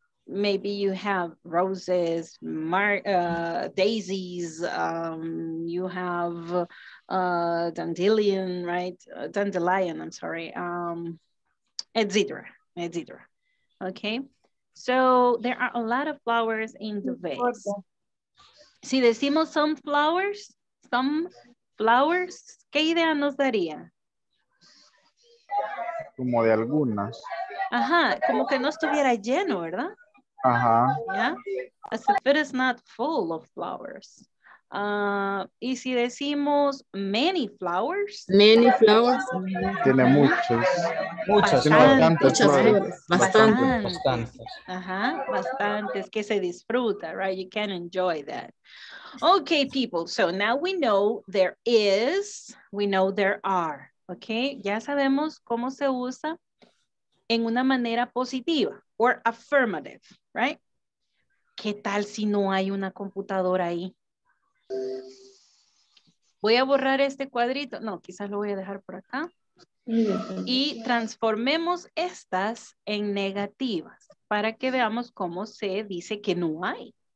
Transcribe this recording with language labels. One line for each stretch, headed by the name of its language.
English: Maybe you have roses, daisies, you have dandelion, right? Dandelion, I'm sorry, et cetera, okay? So there are a lot of flowers in the vase.
Spanish: Si decimos
English: some flowers,
Spanish: ¿qué idea nos daría? Como de algunas. Ajá, como que no estuviera lleno, ¿verdad? Ajá.
English: Yeah? As if it is not full of flowers.
Spanish: Y si decimos
English: many flowers. Many flowers.
Spanish: Tiene muchos. Muchas. Bastantes. Que se disfruta,
English: right? You can enjoy that. Okay, people. So now we know there is, we know there are. Okay.
Spanish: Ya sabemos cómo se usa en una manera positiva or affirmative, right? ¿Qué tal si no hay una computadora ahí? Voy a borrar este cuadrito. No, quizás lo voy a dejar por acá. Y transformemos estas en negativas para que veamos cómo se dice que no hay.